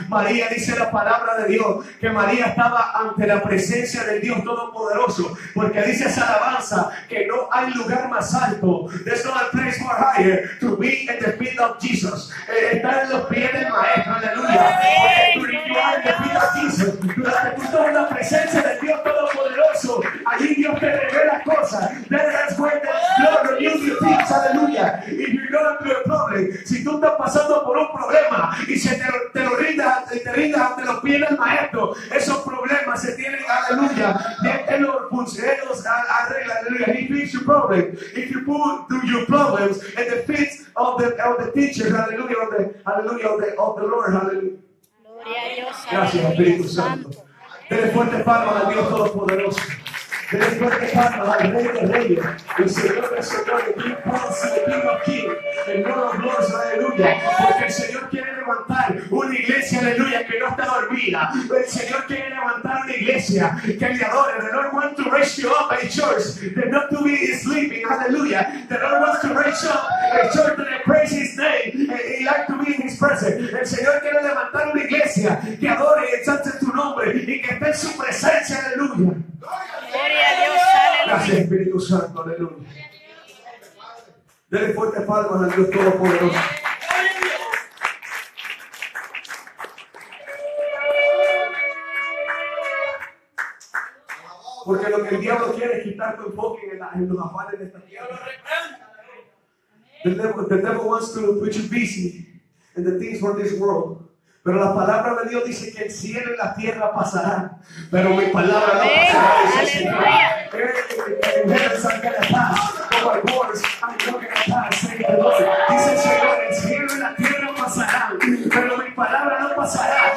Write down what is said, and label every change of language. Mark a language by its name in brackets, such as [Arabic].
[Spanish] María dice la palabra de Dios, que María estaba ante la presencia del Dios Todopoderoso, porque dice esa alabanza que no hay lugar más alto. [English] There's no place more higher to be at the feet of Jesus. [Spanish] Estar en los pies del Maestro, aleluya. Durante tú estás en la presencia del Dios Todopoderoso, allí Dios te revela cosas. [English] There is when the Lord reveals your things, aleluya. [Spanish] Y [English] you know that through a problem, [Spanish] si tú estás pasando por un problema y se te lo rindas ante los pies del Maestro, esos problemas se tienen, aleluya. Él los funcionarios arregla, aleluya. [English] He fixes your problem. If you put your problems at the feet of the teacher, aleluya, of the Lord, aleluya. [Spanish] Gracias, Espíritu Santo. Dele fuertes palmas a Dios Todopoderoso. Dele fuertes palmas al Rey de Reyes. El Señor del Señor, el King Paz, el [English] King of Kings, [Spanish] el [English] Lord of Lords, [Spanish] aleluya. Porque el Señor quiere levantar una iglesia, aleluya, que no está dormida. El Señor quiere levantar una iglesia que le adore. [English] The Lord wants to raise you up a church that not to be sleeping, aleluya. The Lord wants to raise you up a church that praise his name and like to be in his presence. [Spanish] El Señor quiere levantar una iglesia que adore y exalte tu nombre y que esté en su presencia, aleluya. Gloria a Dios, aleluya. Gracias, Espíritu Santo, aleluya. Dele fuerte palmas al Dios Todopoderoso. Porque lo que el diablo quiere es quitar tu enfoque en los afanes de esta tierra. [English] The devil wants to put you busy in the things for this world. [Spanish] Pero la palabra de Dios dice que el cielo y la tierra pasarán. Pero mi palabra no pasará. Aleluya. Dice el Señor. Dice el Señor, el cielo y la tierra pasarán. Pero mi palabra no pasará.